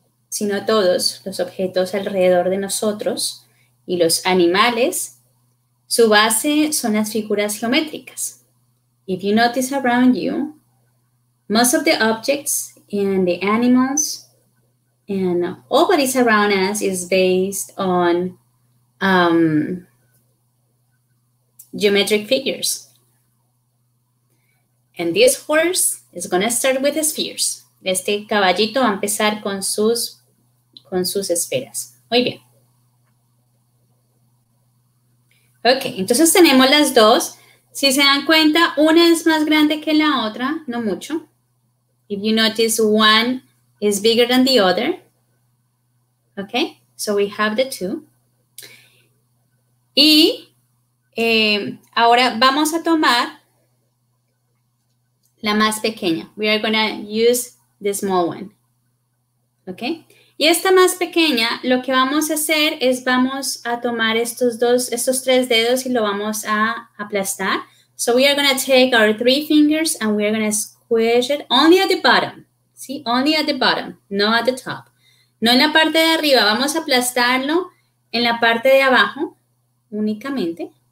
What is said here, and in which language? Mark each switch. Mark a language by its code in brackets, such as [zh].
[es] sino a todos los objetos alrededor de nosotros y los animales, su base son las figuras geométricas. [en] If you notice around you, most of the objects and the animals and all that is around us is based on geometric figures. And this horse is going to start with spheres. [es] Este caballito va a empezar con sus esferas. Muy bien. Ok, entonces tenemos las dos. Si se dan cuenta, una es más grande que la otra, no mucho. [en] If you notice, one is bigger than the other. Ok, so we have the two. [es] Y ahora vamos a tomar la más pequeña. [en] We are going to use the small one. Ok. [es] Y esta más pequeña, lo que vamos a hacer es vamos a tomar estos tres dedos y lo vamos a aplastar. [en] So we are going to take our three fingers and we are going to squish it only at the bottom. ¿Sí? Only at the bottom, no at the top. [es] No en la parte de arriba. Vamos a aplastarlo en la parte de abajo únicamente.